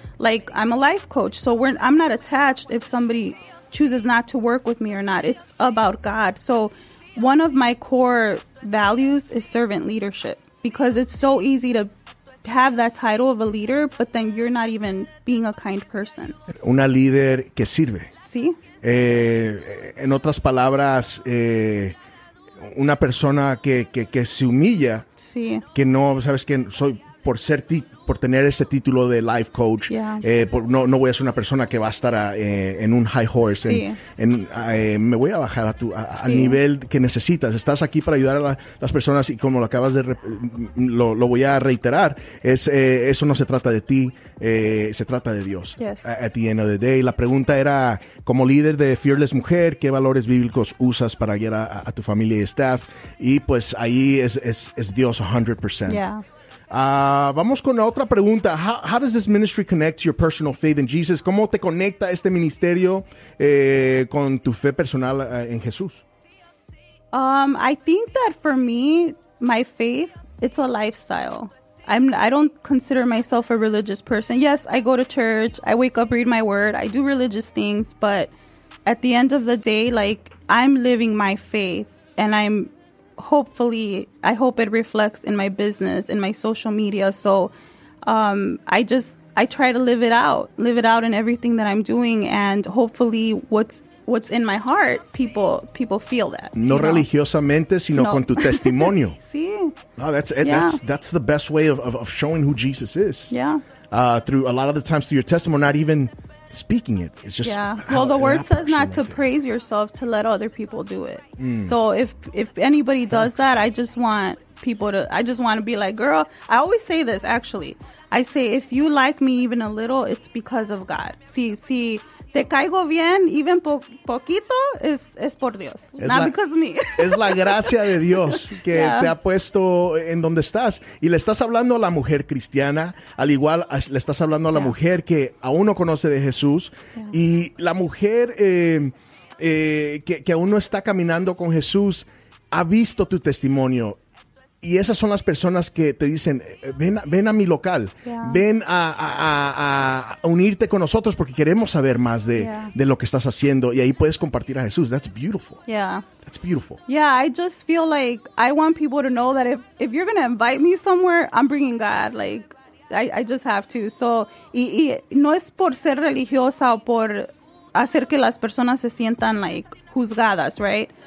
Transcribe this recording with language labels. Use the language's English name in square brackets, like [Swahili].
[English] Like, I'm a life coach, so I'm not attached if somebody chooses not to work with me or not. It's about God. So one of my core values is servant leadership, because it's so easy to have that title of a leader, but then you're not even being a kind person. [Spanish] Una líder que sirve. Sí. En otras palabras, una persona que se humilla, sí. que no, sabes que soy por ser por tener ese título de life coach. [English] Yeah. [Spanish] No voy a ser una persona que va a estar en un [English] high horse. [Spanish] Sí. Me voy a bajar al nivel que necesitas. Estás aquí para ayudar a las personas y como lo acabas de lo voy a reiterar, eso no se trata de ti, se trata de Dios. [English] Yes. At the end of the day. [Spanish] La pregunta era, como líder de Fearless Mujer, ¿qué valores bíblicos usas para guiar a tu familia y staff? Y pues ahí es Dios 100%. [English] Yeah. [Spanish] Vamos con la otra pregunta. [English] How does this ministry connect to your personal faith in Jesus? [Spanish] ¿Cómo te conecta este ministerio con tu fe personal en Jesús? [English] I think that for me, my faith, it's a lifestyle. I don't consider myself a religious person. Yes, I go to church. I wake up, read my word. I do religious things. But at the end of the day, like, I'm living my faith and I'm hopefully, I hope it reflects in my business, in my social media. So I try to live it out in everything that I'm doing. And hopefully what's in my heart, people feel that. [Spanish] No religiosamente, sino con tu testimonio. Sí. [English] Oh, that's the best way of showing who Jesus is. Yeah. Through a lot of the times through your testimony, not even speaking it. It's just, yeah. Well, the word says not to praise yourself, to let other people do it. So if anybody does that, I just want to be like, girl, I always say this, actually. I say, if you like me even a little, it's because of God. [Spanish] See, te caigo bien, even poquito, es por Dios. [English] Not because of me. [Spanish] Es la gracia de Dios que te ha puesto en donde estás. Y le estás hablando a la mujer cristiana, al igual le estás hablando a la mujer que aún no conoce de Jesús. Yeah. Y la mujer que aún no está caminando con Jesús ha visto tu testimonio. Y esas son las personas que te dicen, ven a mi local, ven a unirte con nosotros porque queremos saber más de lo que estás haciendo. Y ahí puedes compartir a Jesús. [English] That's beautiful. Yeah. That's beautiful. Yeah, I just feel like I want people to know that if you're going to invite me somewhere, I'm bringing God. Like, I just have to. [Spanish] So, y no es por ser religiosa o por hacer que las personas se sientan, like, juzgadas, right?